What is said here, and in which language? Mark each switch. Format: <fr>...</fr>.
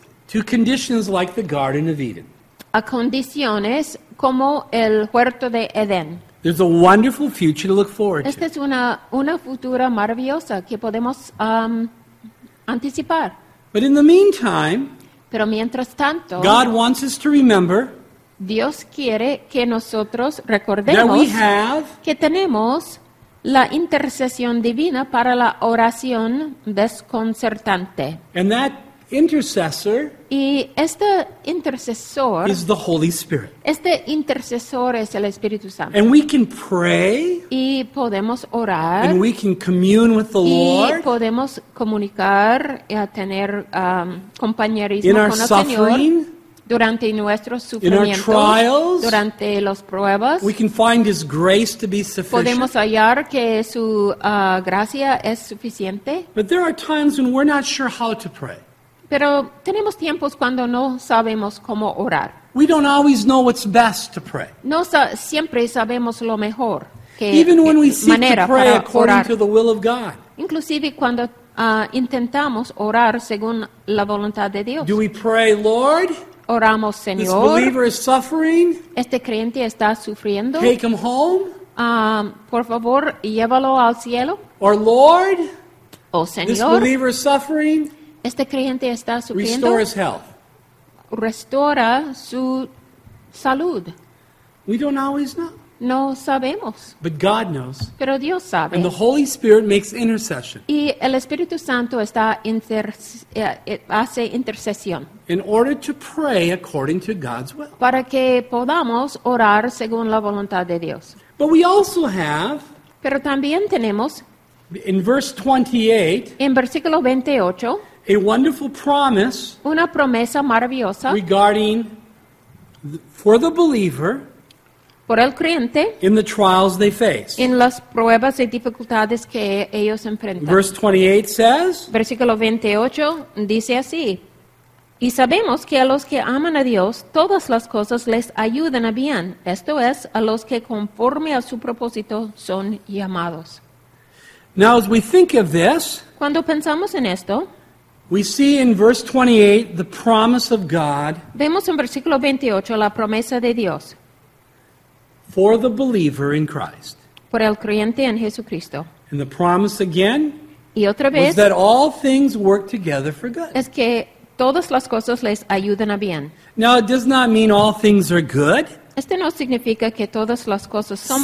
<en>to conditions like the Garden of Eden.</en> <es>A condiciones como el huerto de Edén.</es> <en>There's a wonderful future to look forward to.</en> <es>Esta es una futura maravillosa que podemos anticipar.</es> <en>But in the meantime,</en> <es>pero mientras tanto,</es> <en>God wants us to remember.</en> <es>Dios quiere que nosotros recordemos</es> <en>that we have</en> <es>que tenemos la intercesión divina para la oración desconcertante.</es> <en>And that intercessor</en> <es>y este intercesor</es> <en>is the Holy Spirit.</en> <es>Este intercesor es el Espíritu Santo.</es> <en>And we can pray</en> <es>y podemos orar</es> <en>and we can commune with the</en> <es>y</es> <en>Lord</en> <es>podemos comunicar y a tener compañerismo</es> <en>in</en> <es>con</es> <en>our</en> <es>el</es> <en>suffering,</en> <es>Señor durante nuestros sufrimientos,</es> <en>in our trials,</en> <es>durante las pruebas.</es> <en>We can find His grace to be sufficient.</en> <es>Podemos hallar que su gracia es suficiente.</es> <en>But there are times when we're not sure how to pray.</en> <es>Pero tenemos tiempos cuando no sabemos cómo orar.</es> <en>We don't always know what's best to pray.</en> <es>No siempre sabemos lo mejor que</es> <en>Even when we seek</en> <es>manera</es> <en>to pray</en> <es>para</es> <en>according</en> <es>orar.</es> <en>To the will of God.</en> <es>Inclusive cuando intentamos orar según la voluntad de Dios.</es> <en>Do we pray, Lord?</en> <es>Oramos, Señor.</es> <en>This believer is suffering.</en> <es>Este creyente está sufriendo.</es> <en>Take him home.</en> <es>Por favor, llévalo al cielo.</es> <en>Or Lord?</en> <es>Oh, Señor.</es> <en>This believer is suffering.</en> <es>Este creyente está sufriendo.</es> <en>Restore his health.</en> <es>Restaura su salud.</es> <en>We don't always know.</en> <es>No sabemos.</es> <en>But God knows.</en> <es>Pero Dios sabe.</es> <en>And the Holy Spirit makes intercession.</en> <es>Y el Espíritu Santo está hace intercesión.</es> <en>In order to pray according to God's will.</en> <es>Para que podamos orar según la voluntad de Dios.</es> <en>But we also have.</en> <es>Pero también tenemos.</es> <en>In verse 28.</en> <es>En versículo 28.</es> <en>A wonderful promise.</en> <es>Una promesa maravillosa.</es> <en>Regarding for the believer.</en> <es>Por el creyente.</es> <en>In the trials they face.</en> <es>En las pruebas y dificultades que ellos enfrentan.</es> <en>Verse 28 says.</en> <es>Versículo 28 dice así. Y sabemos que a los que aman a Dios, todas las cosas les ayudan a bien. Esto es, a los que conforme a su propósito son llamados.</es> <en>Now as we think of this.</en> <es>Cuando pensamos en esto.</es> <en>We see in verse 28 the promise of God.</en> <es>Vemos en versículo 28 la promesa de Dios.</es> <en>For the believer in Christ.</en> <es>Por el creyente en Jesucristo.</es> <en>And the promise again.</en> <es>Y otra vez.</es> <en>Was that all things work together for good.</en> <es>Es que todas las cosas les ayudan a bien.</es> <en>Now it does not mean all things are good.</en> <es>Este no significa que todas las cosas son</es>